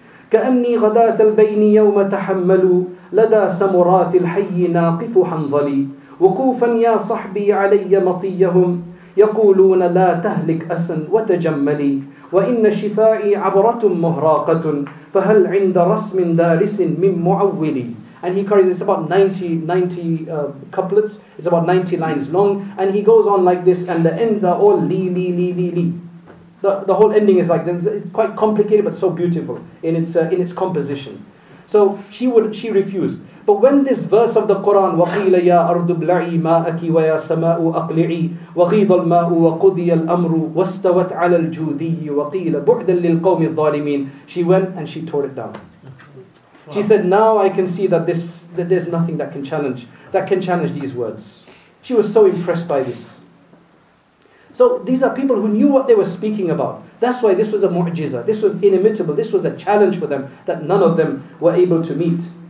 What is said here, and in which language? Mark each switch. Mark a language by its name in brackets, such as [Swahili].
[Arabic] كَأَنِّي غَدَاتَ الْبَيْنِ يَوْمَ تَحَمَّلُوا لَدَى سَمُرَاتِ الْحَيِّ نَاقِفُ حَنْظَلِي وَقُوفًا يَا صَحْبِي عَلَيَّ مَطِيَّهُمْ يَقُولُونَ لَا تَهْلِكْ أَسًا وَتَجَمَّلِي وَإِنَّ شِفَائِي عَبْرَةٌ مُهْرَاقَةٌ فَهَلْ عِنْدَ رَسْمٍ دَارِسٍ مِنْ مُعَوِّلِي. [English] And he carries, it's about 90 couplets, it's about 90 lines long, and he goes on like this, and the ends are all li li li li li. The whole ending is like this. It's quite complicated, but so beautiful in its composition. So she refused. But when this verse of the Quran, [Arabic] وَقِيلَ يَا أَرْضُ بْلَعِي مَاءَكِ وَيَا سَمَاءُ أَقْلِعِي وَغِيضَ الْمَاءُ وَقُضِيَ الْأَمْرُ وَاسْتَوَتْ عَلَى الْجُودِيِّ وَقِيلَ بُعْدًا لِلْقَوْمِ الظَّالِمِينَ, [English] she went and she tore it down. She said, now I can see that there's nothing that can challenge these words. She was so impressed by this. So these are people who knew what they were speaking about. That's why this was a mu'jiza. This was inimitable. This was a challenge for them that none of them were able to meet.